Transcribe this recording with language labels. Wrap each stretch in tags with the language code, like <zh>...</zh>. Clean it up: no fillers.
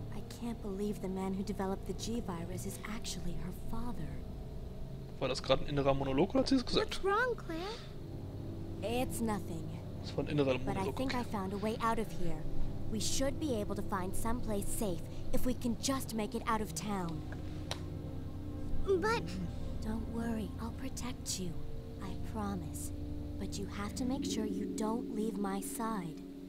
<en>I can't believe the man who developed the G-Virus is actually her father.</en> <de>War das gerade ein innerer Monolog oder hat sie es gesagt?</de> <en>What's wrong, Claire? It's nothing.</en> <de>Das war ein innerer Monolog.</de> <en>But I think I found a way out of here. We should be able to find someplace safe if we can just make it out of town. But... Don't worry, I'll protect you. I promise. But you have to make sure you don't leave my side.</en>